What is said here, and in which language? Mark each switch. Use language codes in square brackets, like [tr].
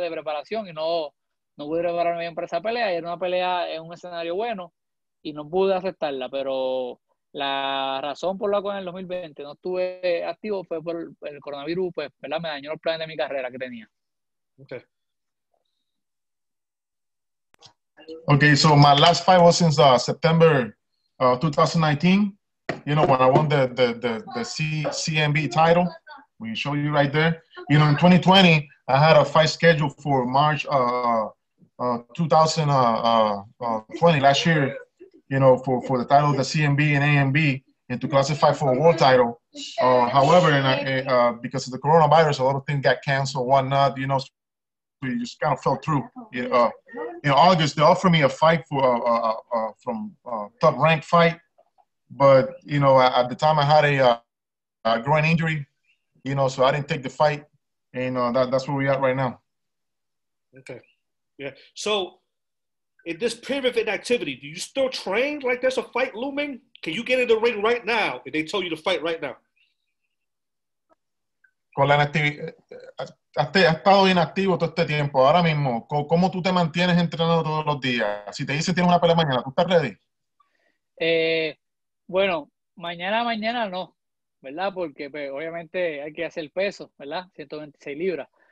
[es] De preparación y no pude prepararme bien para esa pelea, y era una pelea en un escenario bueno, y no pude aceptarla, pero la razón por la cual en el 2020 no estuve activo fue por el coronavirus, pues, ¿verdad? Me dañó los planes de mi carrera que tenía. [en] Okay, so my last fight was since September 2019, you know, when I won the CMB title, we show you right there. You know, in 2020, I had a fight scheduled for March 2020, last year, you know, for the title of the CMB and AMB, and to classify for a world title. However, because of the coronavirus, a lot of things got canceled, whatnot, you know, so we just kind of fell through. In August, they offered me a fight for from Top Rank fight, but, you know, at the time I had a groin injury, you know, so I didn't take the fight, and that's where we at right now. Okay. Yeah. So in this period of inactivity, do you still train like there's a fight looming? Can you get in the ring right now if they told you to fight right now? [es] Con la inactividad, has estado inactivo todo este tiempo. Ahora mismo, ¿cómo tú te mantienes entrenando todos los días? Si te dicen tienes una pelea mañana, ¿tú estás ready? Bueno, mañana no, ¿verdad? Porque pues, obviamente hay que hacer peso, ¿verdad? 126 libras.